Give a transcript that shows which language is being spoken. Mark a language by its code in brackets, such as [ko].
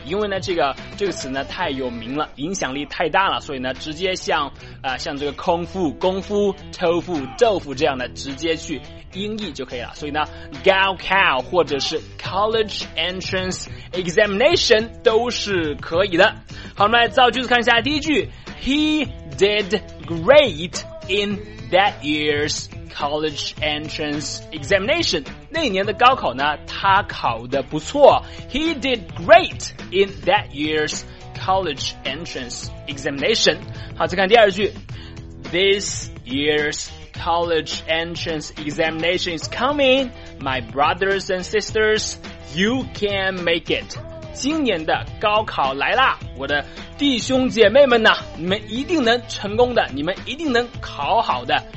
[zh] 因为呢这个词呢太有名了，影响力太大了，所以呢直接像这个空腹、功夫、豆腐、豆腐这样的直接去音译就可以了。所以呢 高考 或者是 college entrance examination 都是可以的。好，我们来造句子看一下。 [en] 第一句， He did great in that year's college entrance examination。 [zh] 那年的高考呢他考得不错。 [en] He did great in that year's college entrance examination。 [zh] 好，再看第二句， [en] This year'sCollege entrance examination is coming. My brothers and sisters, you can make it. [zh] 今年的高考来啦，我的弟兄姐妹们呐，你们一定能成功的，你们一定能考好的。